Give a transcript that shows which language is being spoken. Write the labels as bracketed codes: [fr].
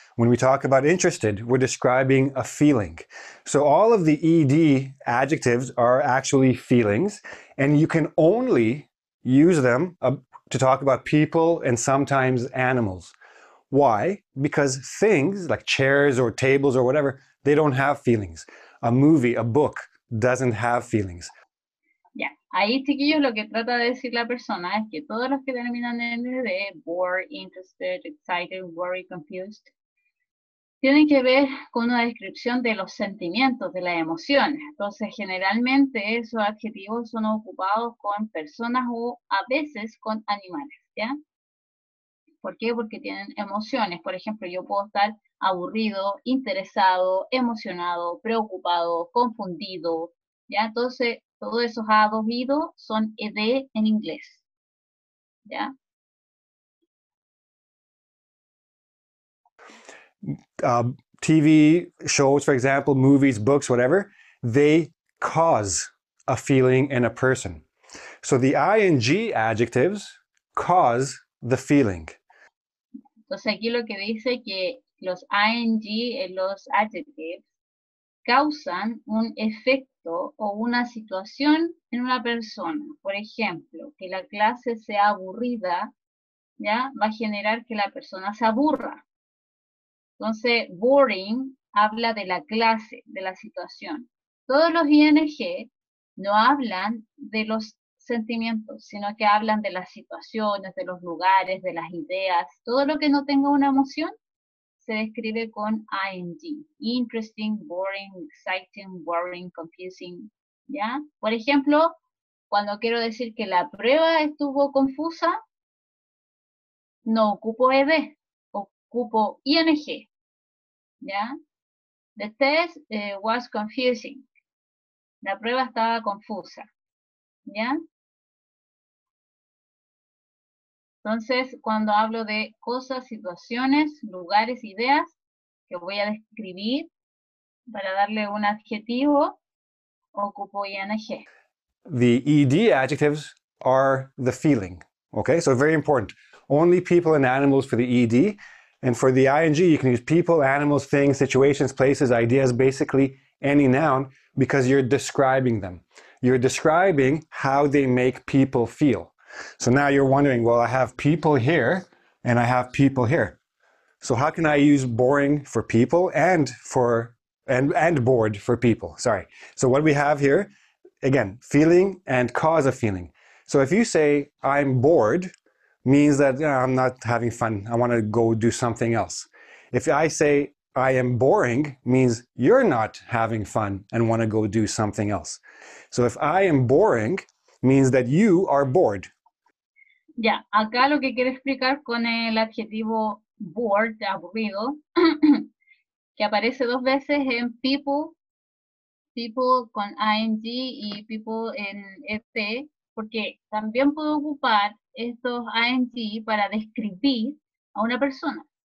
[en] When we talk about interested, we're describing a feeling. So all of the ED adjectives are actually feelings, and you can only use them to talk about people and sometimes animals. Why? Because things like chairs or tables or whatever, they don't have feelings. A movie, a book doesn't have feelings. [es] Ya, ahí chiquillos lo que trata de decir la persona es que todos los que terminan en ED, [en] bored, interested, excited, worried, confused, [es] tienen que ver con una descripción de los sentimientos, de las emociones. Entonces, generalmente esos adjetivos son ocupados con personas o a veces con animales, ¿ya? ¿Por qué? Porque tienen emociones. Por ejemplo, yo puedo estar aburrido, interesado, emocionado, preocupado, confundido, ¿ya? Entonces, todos esos ados, ido, son ed en inglés, ¿ya? Um, [en] TV shows, for example, movies, books, whatever, they cause a feeling in a person. So the ing adjectives cause the feeling. [es] Entonces aquí lo que dice que los ing, los adjectives, causan un efecto o una situación en una persona. Por ejemplo, que la clase sea aburrida, ¿ya? Va a generar que la persona se aburra. Entonces, boring habla de la clase, de la situación. Todos los ing no hablan de los sentimientos, sino que hablan de las situaciones, de los lugares, de las ideas. Todo lo que no tenga una emoción se describe con ing. [en] Interesting, boring, exciting, worrying, confusing. [es] ¿Ya? Por ejemplo, cuando quiero decir que la prueba estuvo confusa, no ocupo ed, ocupo ing. ¿Ya? [en] The test was confusing. [es] La prueba estaba confusa. ¿Ya? Entonces, cuando hablo de cosas, situaciones, lugares, ideas, que voy a describir para darle un adjetivo, ocupo ing. [en] The ed adjectives are the feeling. Okay, so very important. Only people and animals for the ed. And for the ing, you can use people, animals, things, situations, places, ideas, basically any noun, because you're describing them. You're describing how they make people feel. So now you're wondering, well, I have people here and I have people here. So how can I use boring for people and for and bored for people? Sorry. So what we have here, again, feeling and cause of feeling. So if you say I'm bored, means that, you know, I'm not having fun. I want to go do something else. If I say I am boring, means you're not having fun and want to go do something else. So if I am boring, means that you are bored. [es] Ya, acá lo que quiero explicar con el adjetivo bored, de aburrido, que aparece dos veces en people con ing y people en ed, porque también puedo ocupar estos ing para describir a una persona.